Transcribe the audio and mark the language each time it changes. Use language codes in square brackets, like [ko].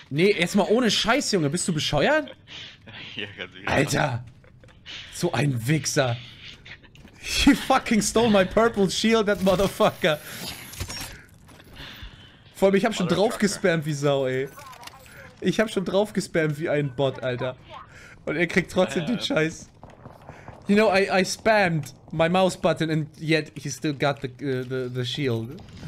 [de] Nee, jetzt mal ohne Scheiß, Junge, bist du bescheuert? Ja, ganz genau. Alter! So ein Wichser! [en] He fucking stole my purple shield, that motherfucker! [de] Vor allem, ich hab schon [en] Mother [de] drauf [en] trucker. [de] gespammt wie Sau, ey. Ich hab schon drauf gespammt wie ein Bot, Alter. Und er kriegt trotzdem den Scheiß. [en] You know, I spammed my mouse button and yet he still got the shield.